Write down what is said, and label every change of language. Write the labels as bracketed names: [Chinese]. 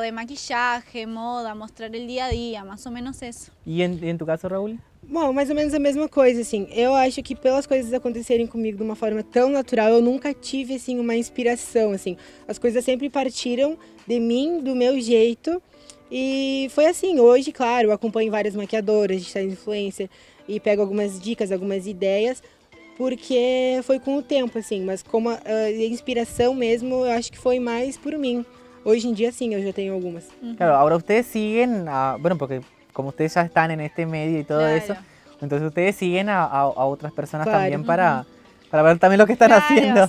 [Spanish] de maquillaje, moda, mostrar el día a día, más o menos eso. ¿Y en tu caso, Raúl? [Portuguese] Bom, mais ou menos a mesma coisa, assim. Eu acho que pelas coisas acontecerem comigo de uma forma tão natural, eu nunca tive, assim, uma inspiração, assim. As coisas sempre partiram de mim, do meu jeito. E foi assim, hoje, claro, eu acompanho várias maquiadoras, digital influencer, e pego algumas dicas, algumas ideias, porque foi com o tempo, assim. Mas como a inspiração mesmo, eu acho que foi mais por mim. Hoje em dia, sim, eu já tenho algumas. Claro, agora vocês seguem a... [Spanish] Bueno, porque... Como ustedes ya están en este medio y todo eso, entonces ustedes siguen a otras personas también para ver también lo que están haciendo.